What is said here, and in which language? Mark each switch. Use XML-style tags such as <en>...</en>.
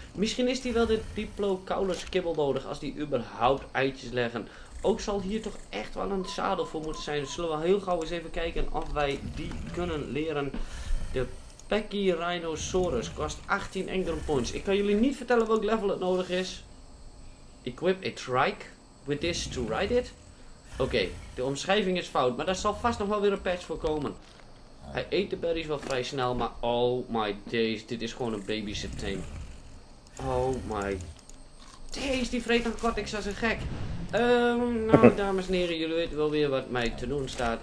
<nl>Misschien is die wel de Diplocaulus kibbel nodig als die überhaupt eitjes leggen. Ook zal hier toch echt wel een zadel voor moeten zijn. Zullen we heel gauw eens even kijken of wij die kunnen leren. De Packy Rhinosaurus kost 18 Engram Points. Ik kan jullie niet vertellen welk level het nodig is.</nl> <en>Equip a trike with this to ride it.</en> <nl>Oké, okay, de omschrijving is fout, maar daar zal vast nog wel weer een patch voor komen. Hij eet de berries wel vrij snel, maar</nl> <en>oh my days,</en> <nl>dit is gewoon een baby septeem.</nl> <en>Oh my days,</en> <nl>die vreet nog kort, ik zou zijn gek. Nou, dames en heren, jullie weten wel weer wat mij te doen staat.</nl>